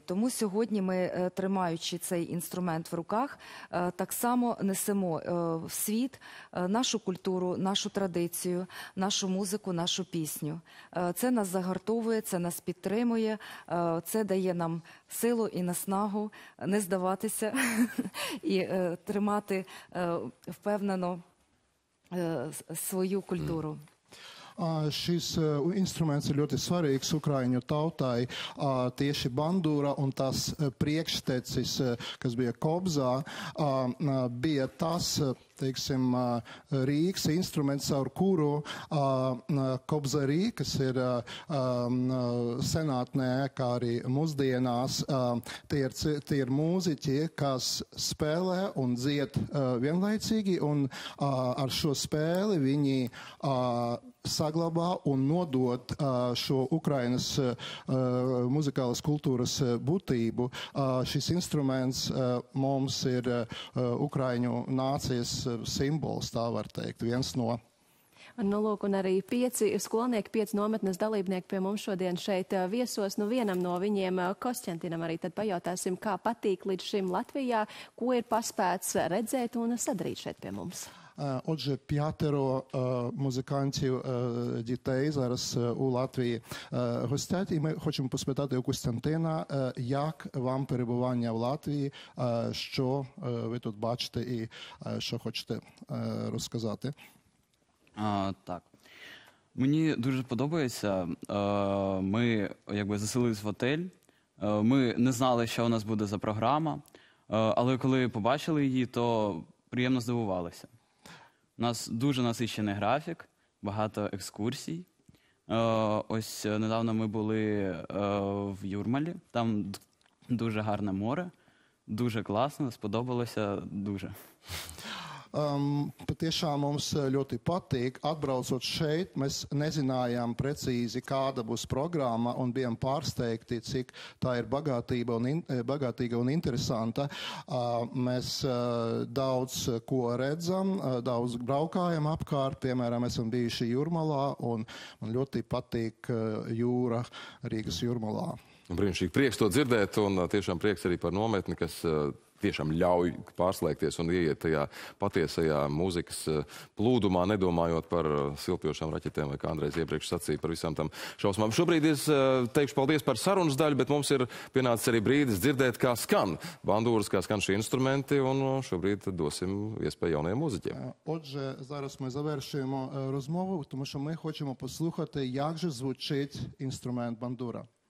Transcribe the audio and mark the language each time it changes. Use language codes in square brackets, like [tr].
[uk] Тому сьогодні ми, тримаючи цей інструмент в руках, так само несемо в світ нашу культуру, нашу традицію, нашу музику, нашу пісню. Це нас загартовує, це нас підтримує, це дає нам силу і наснагу не здаватися і тримати впевнено свою культуру. [lv] Šis instruments ir ļoti svarīgs ukraiņu tautai, tieši bandūra un tas priekštecis, kas bija kobzā, bija tas, teiksim, rīks instruments, ar kuru kobzarī, kas ir senātnē, kā arī mūsdienās, tie ir mūziķi, kas spēlē un dzied vienlaicīgi, un ar šo spēli viņi saglabā un nodot šo Ukrainas muzikālas kultūras būtību. Šis instruments mums ir Ukraiņu nācijas simbols, tā var teikt, viens no. Nu, lūk, un arī pieci skolnieki, pieci nometnes dalībnieki pie mums šodien šeit viesos. Nu, vienam no viņiem, Kostjantinam, arī tad pajautāsim, kā patīk līdz šim Latvijā, ko ir paspēts redzēt un sadarīt šeit pie mums. [uk] Отже, п'ятеро музикантів дітей зараз у Латвії гостять, і ми хочемо поспитати у Костянтина, як вам перебування в Латвії, що ви тут бачите і що хочете розказати? Так. Мені дуже подобається. Ми якби заселились в отель. Ми не знали, що у нас буде за програма, але коли побачили її, то приємно здивувалися. У нас дуже насичений графік, багато екскурсій. Ось недавно ми були в Юрмалі, там дуже гарне море, дуже класно, сподобалося дуже. [lv] Patiešām mums ļoti patīk. Atbraucot šeit, mēs nezinājām precīzi, kāda būs programma un bijām pārsteigti, cik tā ir bagātīga un interesanta. Mēs daudz ko redzam, daudz braukājam apkārt. Piemēram, esam bijuši Jūrmalā un man ļoti patīk jūra Rīgas Jūrmalā. Brīnišķīgi, prieks to dzirdēt un tiešām prieks arī par nometni, kas tiešām ļauj pārslēgties un ieiet tajā patiesajā mūzikas plūdumā, nedomājot par silpjošām raķetēm vai kā Andrejs iepriekš sacīja par visām tam šausmām. Šobrīd es teikšu paldies par sarunas daļu, bet mums ir pienācis arī brīdis dzirdēt, kā skan bandūras, kā skan šie instrumenti, un šobrīd dosim iespēju jaunajiem mūziķiem. [uk] Отже, зараз ми завершуємо розмову, тому що ми хочемо послухати, як же звучить інструмент бандура.